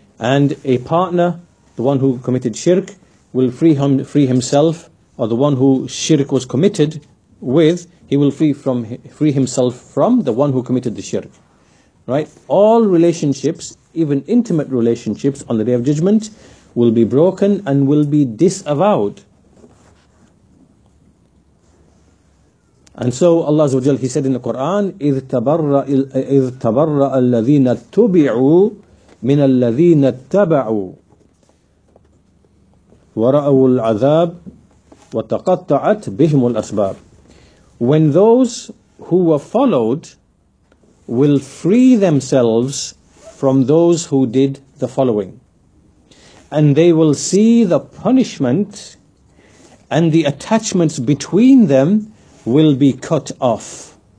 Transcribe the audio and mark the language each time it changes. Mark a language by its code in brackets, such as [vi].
[en] And a partner, the one who committed shirk, will free himself, or the one who shirk was committed with, he will free himself from the one who committed the shirk, right? All relationships, even intimate relationships, on the Day of Judgment, will be broken and will be disavowed. And so Allah Azza wa Jalla, He said in the Quran, [ar] إِذْ تَبَرَّ الَّذِينَ تُبِعُوا مِنَ الَّذِينَ اتَّبَعُوا وَرَأَوُوا الْعَذَابِ وَتَقَطَّعَتْ بِهِمُ الْأَسْبَابِ. [en] When those who were followed will free themselves from those who did the following, and they will see the punishment and the attachments between them will be cut off.